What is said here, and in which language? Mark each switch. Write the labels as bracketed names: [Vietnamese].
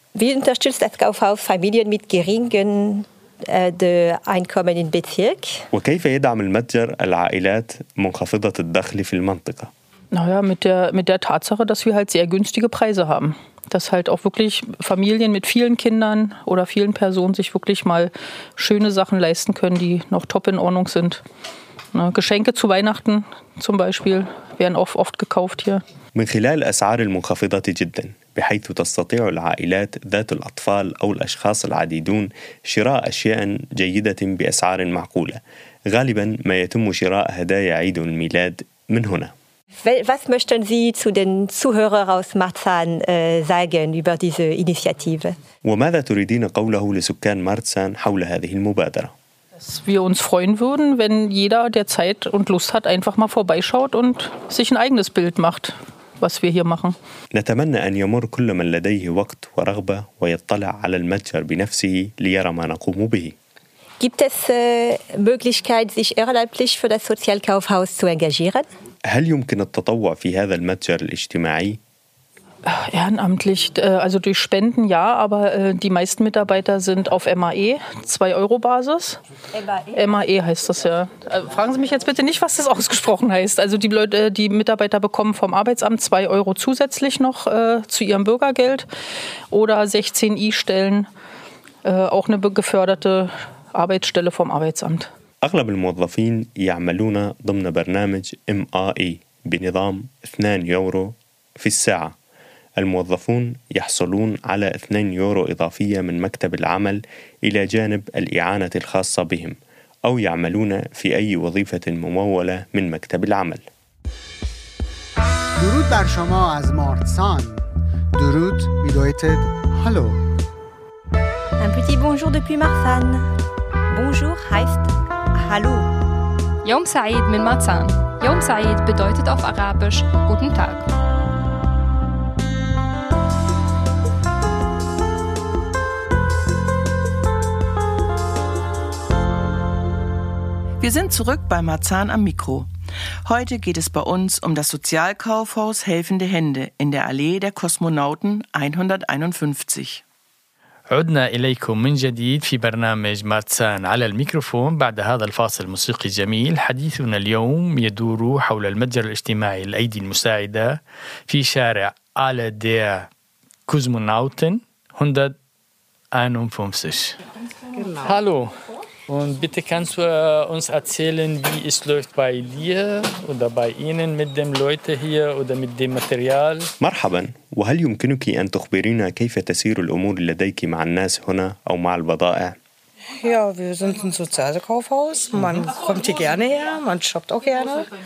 [German] Wie unterstützt das Kaufhaus Familien mit geringen Einkommen im Bezirk? [Arabic] وكيف يدعم المتجر العائلات منخفضة الدخل في المنطقة؟ [German] Naja, mit der Tatsache, dass wir halt sehr günstige Preise haben. Dass halt auch wirklich Familien mit vielen Kindern oder vielen Personen sich wirklich mal schöne Sachen leisten können, die noch top in Ordnung sind. Ne, Geschenke zu Weihnachten zum Beispiel werden oft gekauft hier. [Arabic] من خلال أسعار المنخفضة جدا بحيث تستطيع العائلات ذات الأطفال أو الأشخاص العديدون شراء أشياء جيدة بأسعار معقولة غالبا ما يتم شراء هدايا عيد الميلاد من هنا. [German] Was möchten Sie zu den Zuhörern aus Marzahn sagen über diese Initiative? [Arabic] وماذا تريدين قوله لسكان مارتسان حول هذه المبادرة؟ [German] Dass wir uns freuen würden, wenn jeder, der Zeit und Lust hat, einfach mal vorbeischaut und sich ein eigenes Bild macht, was wir hier machen. [Arabic] نتمنى أن يمر كل من لديه وقت ورغبة ويطلع على المتجر بنفسه ليرى ما نقوم به. [German] Gibt es Möglichkeit, sich ehrenamtlich für das Sozialkaufhaus zu engagieren? [Arabic] هل يمكن التطوع في هذا المتجر الاجتماعي؟ [German] Ehrenamtlich, also durch Spenden ja, aber die meisten Mitarbeiter sind auf MAE, 2-Euro-Basis. MAE heißt das ja. Fragen Sie mich jetzt bitte nicht, was das ausgesprochen heißt. Also die Leute, die Mitarbeiter bekommen vom Arbeitsamt 2 Euro zusätzlich noch zu ihrem Bürgergeld oder 16 I-Stellen, auch eine geförderte Arbeitsstelle vom Arbeitsamt. [Arabic] أغلب الموظفين يعملون ضمن برنامج MAE بنظام 2 يورو في الساعة. الموظفون يحصلون على 2 يورو إضافية من مكتب العمل إلى جانب الإعانة الخاصة بهم، أو يعملون في أي وظيفة ممولة من مكتب العمل. [Persian] درود بر شما از مارتسان. درود بدايتد هلو. [French] Un petit bonjour depuis Marsan. [German] Bonjour heißt hallo. [Arabic] يوم سعيد من مارتسان. يوم سعيد [German] bedeutet auf Arabisch guten Tag. Wir sind zurück bei Marzahn am Mikro. Heute geht es bei uns um das Sozialkaufhaus Helfende Hände in der Allee der Kosmonauten 151. [Arabic] عدنا إليكم من جديد في برنامج مارتسان على الميكروفون بعد هذا الفاصل الموسيقي الجميل. حديثنا اليوم يدور حول المتجر الاجتماعي الأيدي المساعدة في شارع على دير كوزمونوتن 151. [German] هالو. Und bitte kannst du uns erzählen, wie es läuft bei dir oder bei Ihnen mit den Leuten hier oder mit dem Material? [Arabic] مرحبا. وهل يمكنك أن تخبرينا كيف تسير الأمور لديك مع الناس هنا أو مع البضائع؟ [German] Ja, wir sind ein Sozialkaufhaus. Man kommt hier gerne her, man shoppt auch gerne.